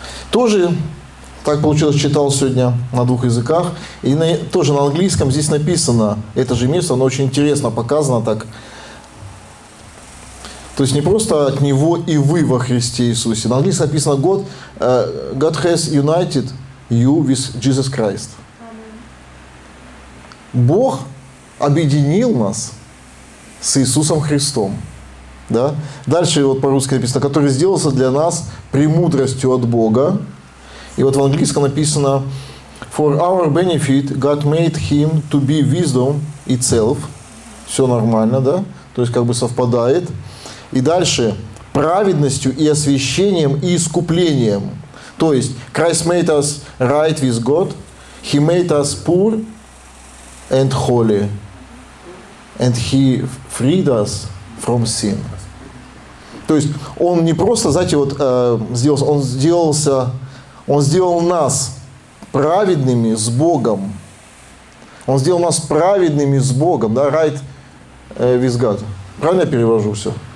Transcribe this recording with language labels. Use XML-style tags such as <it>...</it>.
<ru>Тоже, так получилось, читал сегодня на 2 языках, и тоже на английском здесь написано это же место, оно очень интересно показано так. То есть не просто от Него и вы во Христе Иисусе. На английском написано</ru> <en>God has united you with Jesus Christ.</en> <ru>Бог объединил нас с Иисусом Христом. Да? Дальше вот по-русски написано, который сделался для нас премудростью от Бога. И вот в английском написано</ru> <en>For our benefit God made him to be wisdom itself.</en> <ru>Все нормально, да? То есть как бы совпадает. И дальше, праведностью и освящением и искуплением. То есть,</ru> <en>Christ made us right with God, He made us poor and holy, and He freed us from sin.</en> <ru>То есть, Он не просто, знаете, вот сделался, Он сделал нас праведными с Богом. Он сделал нас праведными с Богом, да,</ru> <en>right with God.</en> <ru>Правильно я перевожу все?</ru>